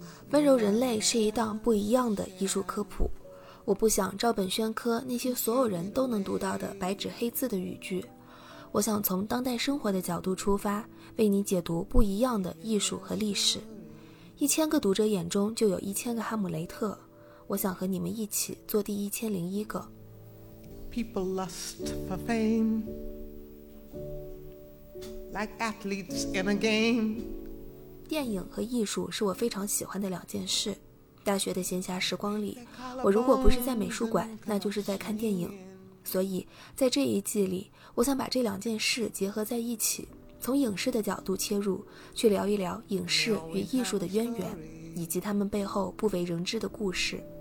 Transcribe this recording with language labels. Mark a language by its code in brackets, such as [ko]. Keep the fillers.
[zh] 温柔人类是一档不一样的艺术科普，我不想照本宣科，那些所有人都能读到的白纸黑字的语句。我想从当代生活的角度出发，为你解读不一样的艺术和历史。一千个读者眼中就有一千个哈姆雷特，我想和你们一起做第一千零一个。 [en] People lust for fame, like athletes in a game. [zh] for lust a 电影和艺术是我非常喜欢的两件事。大学的闲暇时光里，我如果不是在美术馆，那就是在看电影。所以在这一季里。我想把这两件事结合在一起，从影视的角度切入，去聊一聊影视与艺术的渊源，以及他们背后不为人知的故事。